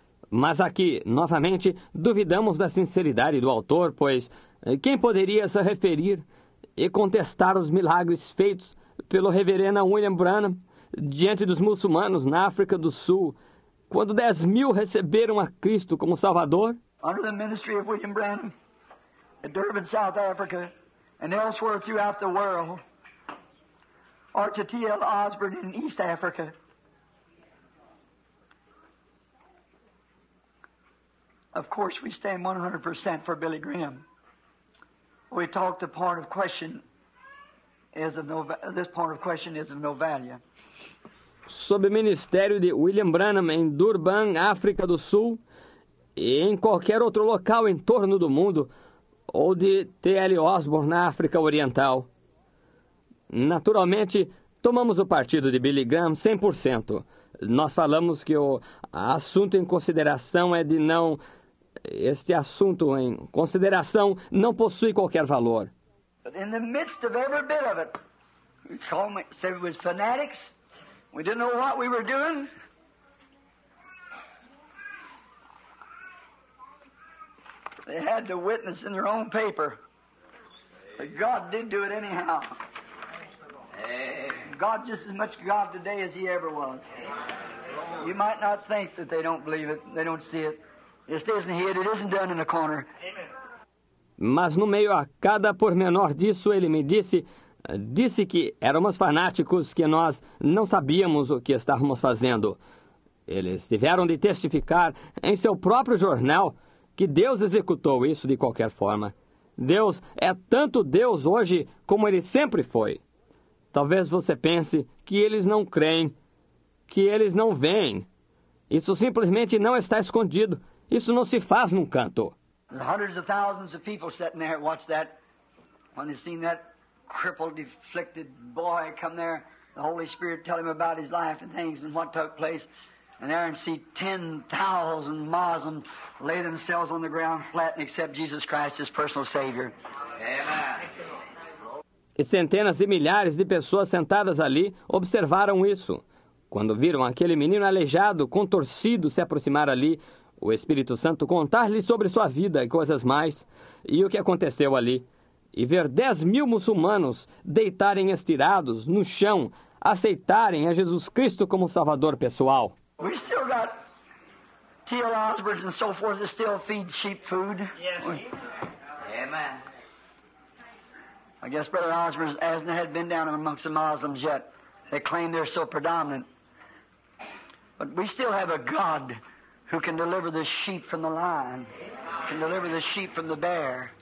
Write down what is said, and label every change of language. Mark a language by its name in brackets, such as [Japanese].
[Portuguese] Mas aqui, novamente, duvidamos da sinceridade do autor, pois quem poderia se referir e contestar os milagres feitos pelo reverendo William Branham diante dos muçulmanos na África do Sul, quando 10 mil receberam a Cristo como Salvador? [English] Under the ministry of William Branham, in Durban, South Africa, and elsewhere throughout the world, or to T.L. Osborne in East Africa, of course we stand 100% for Billy Graham. We talk the part of question is of no this part of question is of no value. [Portuguese] Sob o ministério de William Branham em Durban, África do Sul, e em qualquer outro local em torno do mundo, ou de T.L. Osborne na África Oriental, naturalmente tomamos o partido de Billy Graham 100%. Nós falamos que o assunto em consideração é de não... Este assunto em consideração não possui qualquer valor. [English] In the midst of every bit of it, we called me, said it was fanatics. We didn't know what we were doing. They had to witness in their own paper. But God did do it anyhow. God just as much God today as he ever was. You might not think that they don't believe it, they don't see it. It isn't hid, it isn't done in the corner. [Portuguese] Mas no meio a cada pormenor disso, ele me disse, que éramos fanáticos, que nós não sabíamos o que estávamos fazendo. Eles tiveram de testificar em seu próprio jornal que Deus executou isso de qualquer forma. Deus é tanto Deus hoje como ele sempre foi. Talvez você pense que eles não creem, que eles não veem. Isso simplesmente não está escondido. Isso não se faz num canto. [English] Hundreds of thousands of people sitting there watch that. When they seen that crippled, afflicted boy come there, the Holy Spirit tell him about his life and things and what took place. And there and see 10,000 Muslims lay themselves on the ground flat and accept Jesus Christ as personal Savior. [Portuguese] E centenas e milhares de pessoas sentadas ali observaram isso. Quando viram aquele menino aleijado, contorcido, se aproximar ali, o Espírito Santo contar-lhe sobre sua vida e coisas mais, e o que aconteceu ali, e ver 10,000 muçulmanos deitarem estirados no chão, aceitarem a Jesus Cristo como Salvador pessoal. [English] We still got T.L. Osborne and so forth that still feed sheep food. Yes. Amen. I guess Brother Osborne hasn't had been down amongst the Muslims yet. They claim they're so predominant. But we still have a God who can deliver the sheep from the lion, can deliver the sheep from the bear.